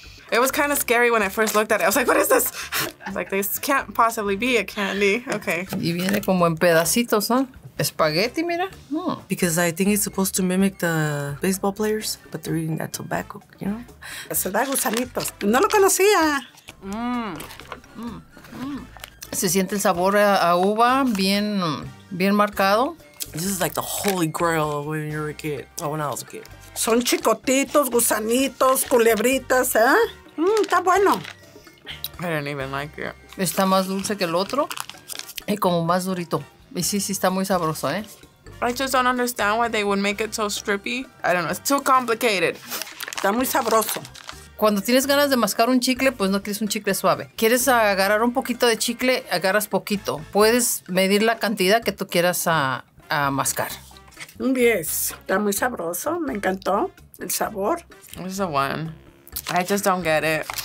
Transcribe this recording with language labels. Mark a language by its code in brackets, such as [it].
[en] It was kind of scary when I first looked at it. I was like, what is this? I was like, this can't possibly be a candy. Okay. [es] Y viene como en pedacitos, ¿eh? Espagueti, mira. [en] Because I think it's supposed to mimic the baseball players, but they're eating that tobacco, you know? [es] Se da gusanitos. No lo conocía. Se siente el sabor a uva bien, bien marcado. [en] This is like the holy grail when you were a kid, or when I was a kid. [es] Son chicotitos, gusanitos, culebritas, ¿eh? Está bueno. [en] I don't even like it. [es] Está más dulce que el otro y como más durito. Y sí, sí está muy sabroso, ¿eh? [en] I just don't understand why they would make it so strippy. I don't know, it's too complicated. [es] Está muy sabroso. Cuando tienes ganas de mascar un chicle, pues no quieres un chicle suave. Quieres agarrar un poquito de chicle, agarras poquito. Puedes medir la cantidad que tú quieras a mascar. Un 10. Está muy sabroso. Me encantó el sabor. [en] This is a 1. I just don't get it.